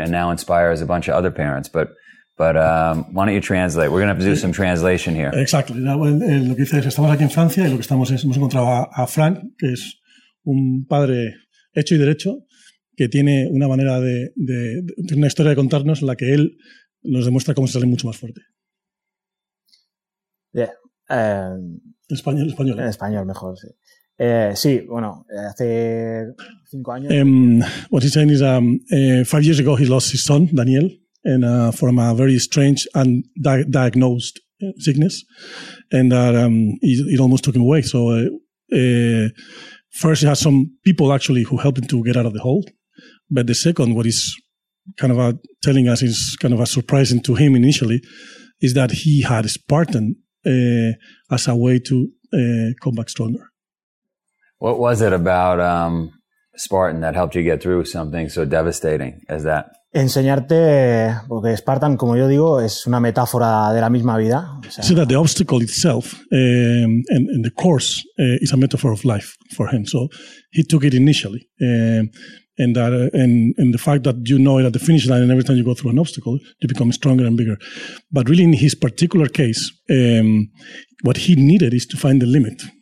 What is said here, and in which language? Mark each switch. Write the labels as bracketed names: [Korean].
[English] And now inspires a bunch of other parents. But why don't you translate? We're going to have to do some translation here. Exactly. [Spanish] Lo que dice es, estamos aquí en Francia y lo que estamos es, hemos encontrado a Frank, que es un padre hecho y derecho, que tiene una manera de una historia de contarnos en la que él nos demuestra cómo se sale mucho más fuerte. [English] Yeah. [Spanish] En español. En español, mejor, sí. Sí, bueno, hace 5 años. [English] What he's saying is, 5 years ago he lost his son, Daniel. And from a very strange and diagnosed sickness, and that it almost took him away. So first he had some people actually who helped him to get out of the hole, but the second, what he's kind of telling us is kind of a surprising to him initially, is that he had Spartan as a way to come back stronger. What was it about Spartan that helped you get through something so devastating as that? [Spanish] Enseñarte, porque Spartan, como yo digo, es una metáfora de la misma vida. O sea, [English] so that the obstacle itself and the course is a metaphor of life for him. So he took it initially. And the fact that you know it at the finish line, and every time you go through an obstacle, you become stronger and bigger. But really, in his particular case, what he needed is to find the limit.